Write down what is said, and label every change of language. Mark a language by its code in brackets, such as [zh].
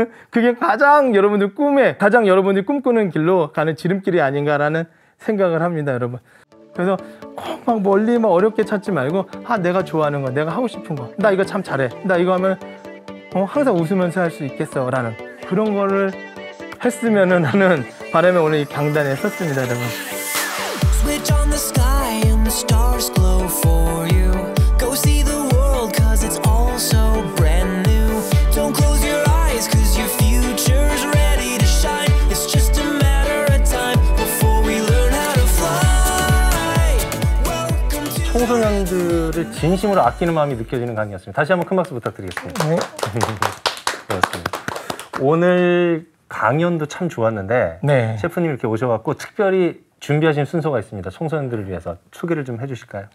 [ko] 그게 가장 여러분들 꿈에, 가장 여러분들이 꿈꾸는 길로 가는 지름길이 아닌가라는 생각을 합니다, 여러분. 그래서 꼭 막 멀리 막 어렵게 찾지 말고, 내가 좋아하는 거, 내가 하고 싶은 거, 나 이거 참 잘해, 나 이거 하면 항상 웃으면서 할 수 있겠어라는 그런 거를 했으면 하는 바람에 오늘 이 강단에 섰습니다, 여러분. [en] Switch on the sky and the stars glow for you. Go see the world cause it's all so brand new. Don't close your eyes cause your future's ready to shine. It's just a matter of time before we learn how to fly. Welcome to [ko] 청소년들을 진심으로 아끼는 마음이 느껴지는 강의였습니다. 다시 한번 큰 박수 부탁드리겠습니다. 네. 고맙습니다. 오늘 강연도 참 좋았는데, 네. 셰프님 이렇게 오셔갖고 특별히 준비하신 순서가 있습니다. 청소년들을 위해서 소개를 좀 해주실까요?